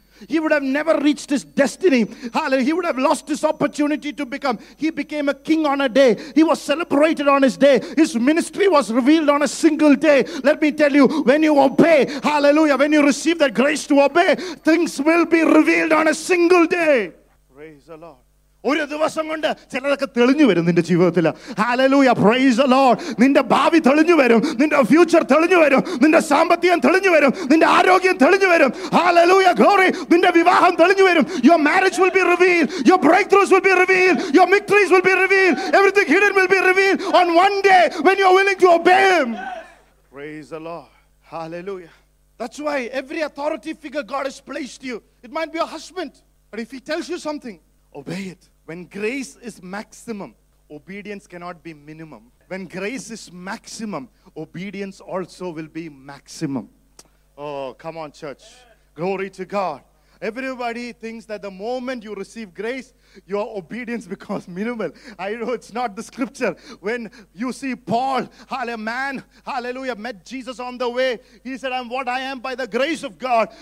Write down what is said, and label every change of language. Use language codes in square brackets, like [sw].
[en] He would have never reached his destiny. Hallelujah. He would have lost his opportunity to become. He became a king on a day. He was celebrated on his day. His ministry was revealed on a single day. Let me tell you, when you obey, hallelujah, when you receive that grace to obey, things will be revealed on a single day. Praise the Lord. [ml] ഒരു ദിവസം കൊണ്ട് ചിലതൊക്കെ തെളിഞ്ഞു വരും നിന്റെ ജീവിതത്തിൽ. Hallelujah, [en] Praise the Lord. [ml] നിന്റെ ഭാവി തെളിഞ്ഞു വരും, നിന്റെ ഫ്യൂച്ചർ തെളിഞ്ഞു വരും, നിന്റെ സാമ്പത്തികം തെളിഞ്ഞു വരും, നിന്റെ ആരോഗ്യം തെളിഞ്ഞു വരും. Hallelujah, glory. നിന്റെ വിവാഹം തെളിഞ്ഞു വരും. [en] Your marriage will be revealed, your breakthroughs will be revealed, your victories will be revealed, everything hidden will be revealed on one day when you are willing to obey him. Praise the Lord. Hallelujah. That's why every authority figure God has placed you, it might be your husband, but if he tells you something, obey it. When grace is maximum, obedience cannot be minimum. When grace is maximum, obedience also will be maximum. Oh, come on, church. Glory to God. Everybody thinks that the moment you receive grace, your obedience becomes minimal. I know it's not the scripture. When you see Paul, hallelujah, met Jesus on the way, he said, I'm what I am by the grace of God.